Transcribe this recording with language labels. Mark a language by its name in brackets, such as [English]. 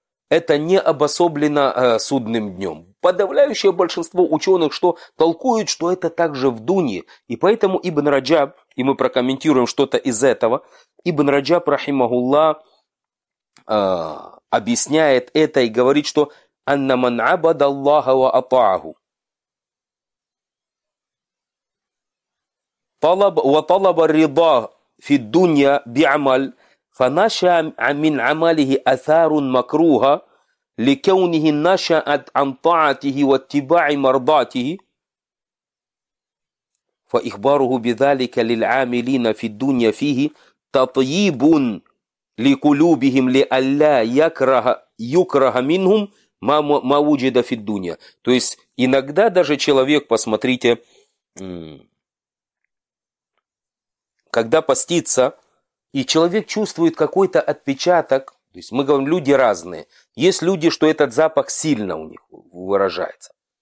[Russian] Это не обособлено судным днем. Подавляющее большинство ученых что толкуют, что это также в Дунье. И поэтому Ибн Раджаб, и мы прокомментируем что-то из этого, Ибн Раджаб, рахимахулла, объясняет это и говорит, что [Arabic] «Анна ман абада Аллаха ва атаагу». وطلب الرضا في الدنيا بعمل فنشأ من عمله أثار مكروهة لكونه نشأ عن طاعته واتباع مرضاته فإخباره بذلك للعاملين في الدنيا فيه تطيب لقلوبهم لئلا يكره منهم ما وجد في الدنيا. [Russian] То есть иногда даже человек, посмотрите, когда постится, и человек чувствует какой-то отпечаток, то есть мы говорим, люди разные. Есть люди, что этот запах сильно у них выражается.